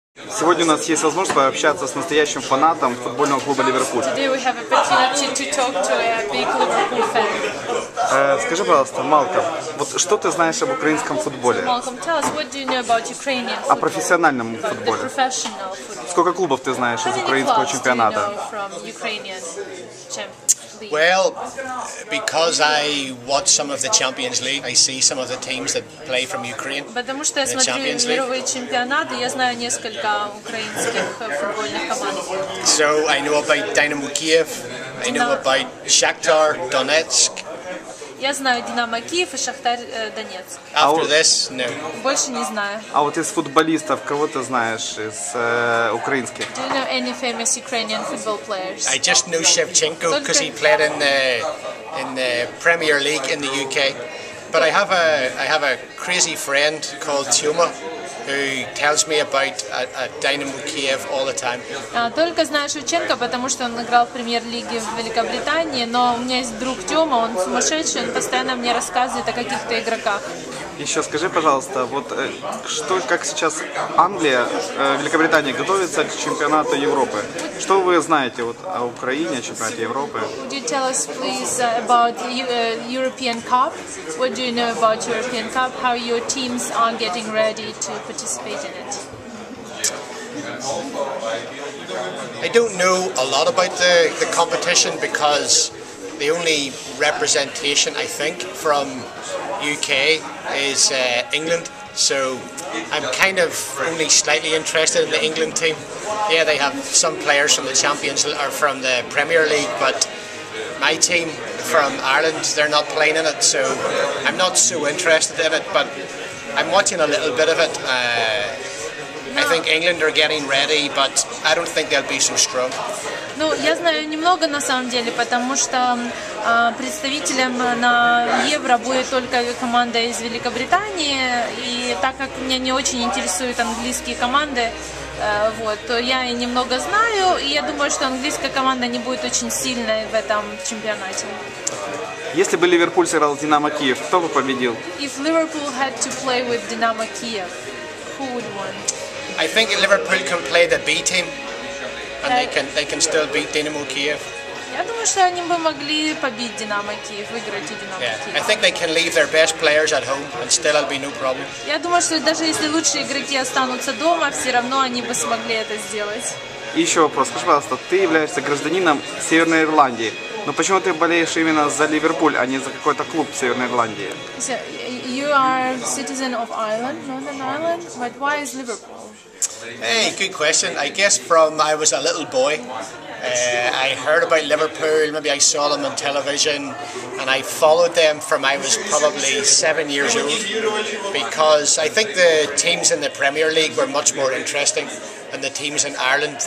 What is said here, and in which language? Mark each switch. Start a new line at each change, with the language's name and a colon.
Russian: сегодня у нас есть возможность пообщаться с настоящим фанатом футбольного клуба Ливерпуль.
English: Today we have opportunity to talk to a big Liverpool fan.
Russian: Скажи, пожалуйста, Малком, вот что ты знаешь об украинском футболе?
English: Malcolm, tell us what do you know about Ukrainian football?
Russian: О профессиональном футболе.
English: The professional football.
Russian: Сколько клубов ты знаешь из украинского чемпионата?
English: How many clubs do you know from Ukrainian League? Well, because I watch some of the Champions League, I see some of the teams that play from Ukraine.
Russian: Потому что я смотрю мировые чемпионаты, я знаю несколько украинских футбольных команд.
English: So I know about Dynamo Kiev, I know about Shakhtar Donetsk.
Russian: Я знаю Динамо Киев и Шахтар Донецк.
English: After this, no.
Russian: Больше не знаю. А вот из футболистов кого ты знаешь из украинских?
English: Do you know any famous Ukrainian football players? I just know Shevchenko because he played in the Premier League in the UK. But I have a crazy friend called Tuma, who tells me about a Dynamo Kiev all the time.
Russian: Только знаю Шевченко, потому что он играл в премьер-лиге в Великобритании, но у меня есть друг Тёма, он сумасшедший, он постоянно мне рассказывает о каких-то игроках. Еще скажи, пожалуйста, вот что, как сейчас Англия, Великобритания готовится к чемпионату Европы? Что вы знаете вот о Украине, о чемпионате Европы?
English: Would you tell us, please, about European Cup? What do you know about European Cup? How your teams are getting ready to participate in it? I don't know a lot about the competition because the only representation, I think, from UK is England, so I'm kind of only slightly interested in the England team. Yeah, they have some players from the Champions or from the Premier League, but my team from Ireland, they're not playing in it, so I'm not so interested in it, but I'm watching a little bit of it. I think England are getting ready, but I don't think they'll be so strong.
Russian: Ну, я знаю немного на самом деле, потому что представителем на Евро будет только команда из Великобритании, и так как меня не очень интересуют английские команды, вот, то я и немного знаю, и я думаю, что английская команда не будет очень сильной в этом чемпионате. Если бы Ливерпуль сыграл с Динамо Киев, кто бы победил?
English: If Liverpool had to play with Dynamo Kiev, who would win? I think Liverpool can play the B team. And they can still beat Dynamo Kiev.
Russian: Я думаю, что они бы могли побить Динамо Киев, выиграть у Динамо Киев.
English: I think they can leave their best players at home and still it'll be no problem.
Russian: Я думаю, что даже если лучшие игроки останутся дома, все равно они бы смогли это сделать. Еще вопрос, скажи, пожалуйста, ты являешься гражданином Северной Ирландии, но почему ты болеешь именно за Ливерпуль, а не за какой-то клуб Северной Ирландии?
English: You are citizen of Ireland, Northern Ireland, but why is Liverpool? Hey, good question. I guess from I was a little boy, I heard about Liverpool, maybe I saw them on television, and I followed them from I was probably 7 years old, because I think the teams in the Premier League were much more interesting than the teams in Ireland.